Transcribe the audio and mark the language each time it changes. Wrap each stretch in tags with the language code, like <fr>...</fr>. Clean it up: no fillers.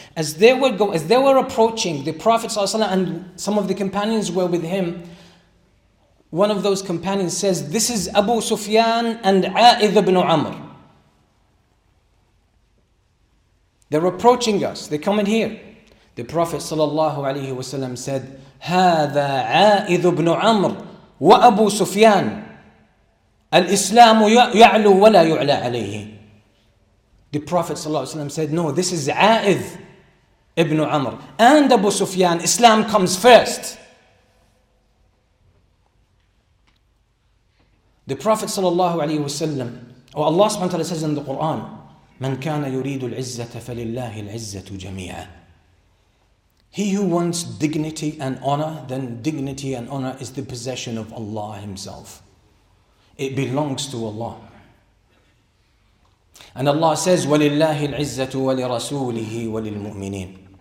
<en>As they were approaching the Prophet sallallahu alaihi wasallam, and some of the companions were with him, one of those companions says, this is Abu Sufyan and A'id ibn Amr. They're approaching us, they come in here. The Prophet sallallahu alaihi wasallam said,</en> <ar>هذا عائذ بن عمر وأبو سفيان الإسلام يعلو ولا يعلى عليه.</ar> <en>The Prophet ﷺ said, no, this is عائذ ibn Amr and Abu Sufyan. Islam comes first. The Prophet ﷺ, or Allah subhanahu wa ta'ala says in the Quran,</en> <ar>من كان يريد العزة فلله العزة جميعا.</ar> <en>He who wants dignity and honor, then dignity and honor is the possession of Allah Himself. It belongs to Allah. And Allah says,</en> <ar>وَلِلَّهِ الْعِزَّةُ وَلِرَسُولِهِ وَلِلْمُؤْمِنِينَ.</ar>